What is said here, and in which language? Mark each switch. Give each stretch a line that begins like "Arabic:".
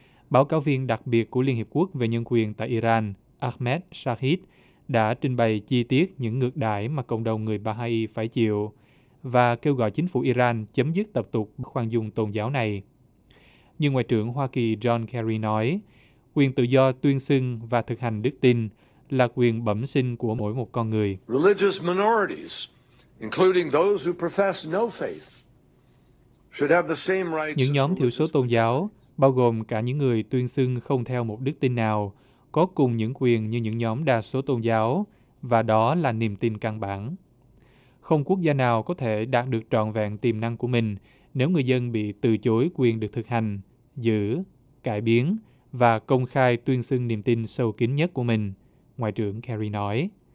Vietnamese: Báo cáo viên đặc biệt của Liên Hiệp Quốc về Nhân quyền tại Iran, Ahmed Shahid, đã trình bày chi tiết những ngược đãi mà cộng đồng người Baha'i phải chịu và kêu gọi chính phủ Iran chấm dứt tập tục khoan dung tôn giáo này. Như Ngoại trưởng Hoa Kỳ John Kerry nói, quyền tự do tuyên xưng và thực hành đức tin là quyền bẩm sinh của mỗi một con người.
English: Religious minorities, including those who profess no faith, should have the same rights.
Vietnamese: Những nhóm thiểu số tôn giáo, bao gồm cả những người tuyên xưng không theo một đức tin nào, có cùng những quyền như những nhóm đa số tôn giáo, và đó là niềm tin căn bản. Không quốc gia nào có thể đạt được trọn vẹn tiềm năng của mình nếu người dân bị từ chối quyền được thực hành, giữ, cải biến và công khai tuyên xưng niềm tin sâu kín nhất của mình, Ngoại trưởng Kerry nói.